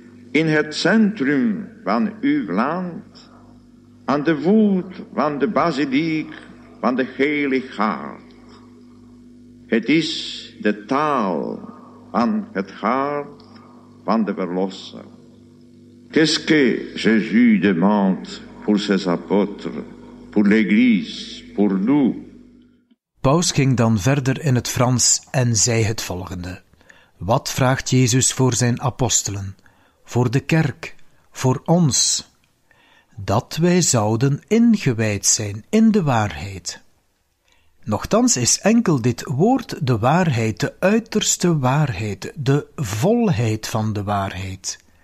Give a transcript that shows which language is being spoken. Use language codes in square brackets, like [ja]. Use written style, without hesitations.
[nl] In het centrum van uw land, aan de voet van de basiliek van de Heilige Hart. Het is de taal van het hart van de Verlosser. [fr] Qu'est-ce que Jésus demande pour ses apôtres, pour l'Église, pour nous? [nl] Paus ging dan verder in het Frans en zei het volgende. Wat vraagt Jezus voor zijn apostelen? Voor de kerk, voor ons, dat wij zouden ingewijd zijn in de waarheid. Nochtans is enkel dit woord de waarheid, de uiterste waarheid, de volheid van de waarheid.